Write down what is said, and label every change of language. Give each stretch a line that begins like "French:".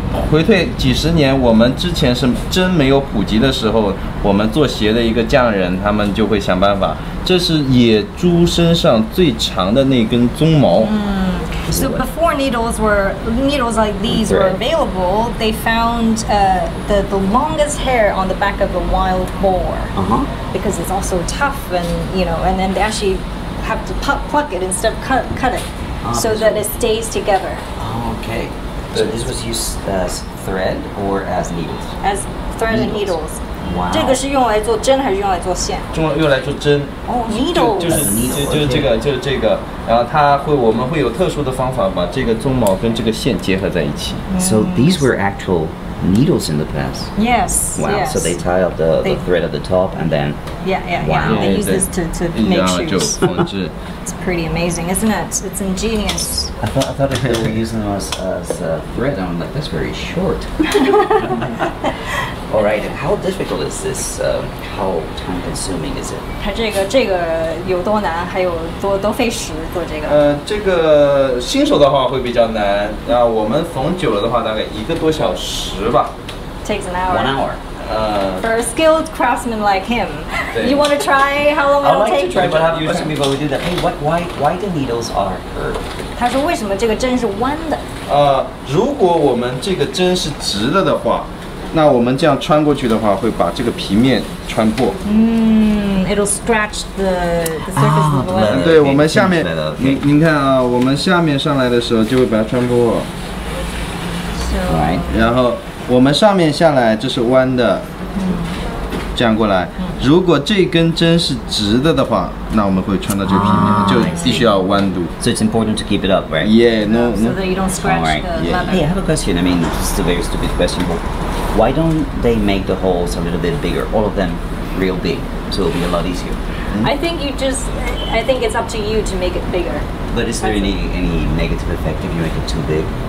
Chinese: 回退几十年，我们之前是针没有普及的时候，我们做鞋的一个匠人，他们就会想办法。这是野猪身上最长的那根鬃毛。
English: So before needles like these were available, they found the longest hair on the back of a wild boar. Because it's also tough, and you know, and then they actually have to pluck it instead of cut it, so that it stays together. Okay. So this was used as thread or as needles? As thread and needles. Wow.
Chinese: 这个是用来做针还是用来做线？用来做针。
English: Needles.
Chinese: 就是这个。然后它会，我们会有特殊的方法把这个鬃毛跟这个线结合在一起。
English: So these were actual needles in the past. Yes. Wow. Yes. So they tie up the thread at the top and then. Yeah. They use this to make shoes.
Chinese: 就缝制。
English: It's pretty amazing, isn't it? It's ingenious. I thought if they were using them as thread, I'm like, that's very short. All right, how difficult is this? How time consuming is it?
Chinese: 它这个有多难，还有多费时做这个？这个新手的话会比较难，然后我们缝久了的话，大概一个多小时吧。
English: Takes an hour. One hour. For a skilled craftsman like him, you want to try how long it'll take? I'd like to try, but before we do that, hey, why the needles are curved?
Chinese: 他说为什么这个针是弯的？如果我们这个针是直的的话，那我们这样穿过去的话，会把这个皮面穿破。
English: It'll stretch the surface of the leather.
Chinese: 对，我们下面，您看啊，我们下面上来的时候就会把它穿破。
English: Right.
Chinese: 然后我们上面下来这是弯的，这样过来。如果这根针是直的的话，那我们会穿到这个平面，就必须要弯度。
English: So it's important to keep it up, right? Yeah, no, so that you don't scratch the leather. Yeah, I have a question. I mean, this is a very stupid question, but why don't they make the holes a little bit bigger, all of them real big, so it'll be a lot easier? I think it's up to you to make it bigger. But is there any negative effect if you make it too big?